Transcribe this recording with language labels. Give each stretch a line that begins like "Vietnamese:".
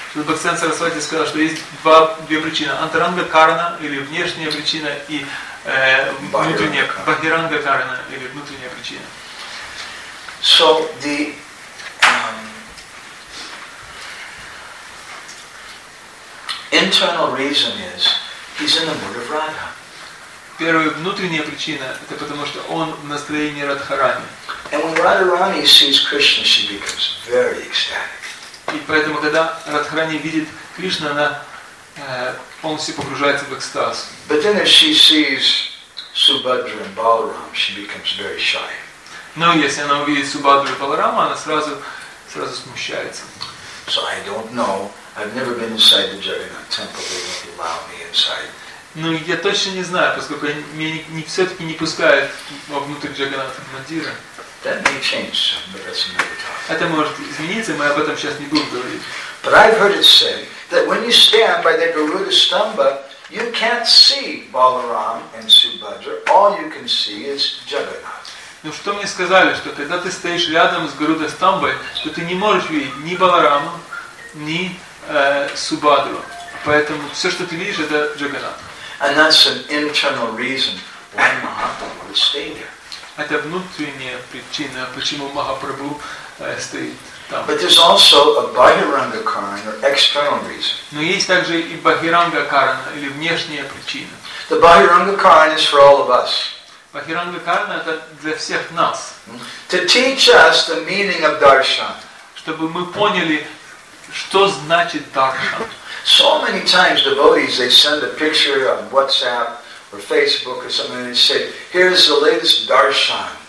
Russian: Srila Bhaktisiddhanta Saraswati сказал, что есть две причины: антаранга карана или внешняя причина и Бахиранга карана или внутренняя причина.
English: So the internal reason is he's in the mood of Radha.
Russian: Первая внутренняя причина это потому что он в настроении Радхарани.
English: And when Radharani sees Krishna, she becomes very ecstatic.
Russian: И поэтому когда Радхарани видит Кришну, она полностью погружается в экстаз.
English: But then if she sees Subhadra and Balaram, she becomes very shy.
Russian: Но если она увидит Субхадру и Баларама, она сразу смущается.
English: So I don't know. I've never been inside the Jagannath temple. They won't allow me inside.
Russian: Ну я точно не знаю, поскольку меня все-таки не пускают внутрь Джаганнатха мандира.
English: That may change, but that's another topic.
Russian: Это может измениться, мы об этом сейчас не будем говорить.
English: But I've heard it said that when you stand by the Garuda Stamba, you can't see Balaram and Subhadra. All you can see is Jagannath.
Russian: Ну что мне сказали, что когда ты стоишь рядом с Гарудой Стамбой, то ты не можешь видеть ни Баларама, ни Субхадру. Поэтому все, что ты видишь, это Джаганнат.
English: And that's an internal reason why Mahaprabhu would stay there.
Russian: Это внутренняя причина, почему Махапрабху стоит там.
English: But there's also a bahiranga karan or external reason.
Russian: Но есть также и бахиранга карана или внешняя причина.
English: The bahiranga karan is for all of us.
Russian: Бахиранга карана это для всех нас.
English: To teach us the meaning of darshan.
Russian: Чтобы мы поняли, что значит даршан.
English: So many times devotees they send a picture on WhatsApp or Facebook or something and they say, here's the latest darshan.